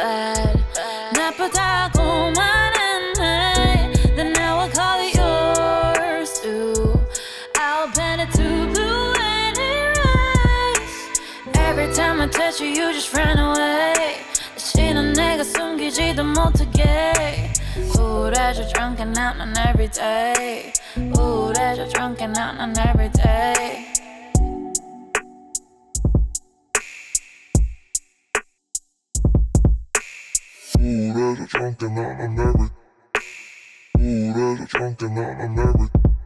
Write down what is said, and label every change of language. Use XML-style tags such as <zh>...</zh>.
<en>Ooh, that you're drunken out on every day. Ooh, that you're drunken out on every day. You're calling my mind bad.</en> <ko>나쁘다고만 했네.</ko> <en>Then now I call it yours too. I'll paint it to blue and erase. Every time I touch you, you just ran away.</en> <ko>다시는 내가 숨기지도 못하게.</ko> <en>Ooh, that you're drunken out on every day. Ooh, that you're drunken out on every day. Ooh, that you're drunken out on every. Ooh, that you're drunken out on every.</en>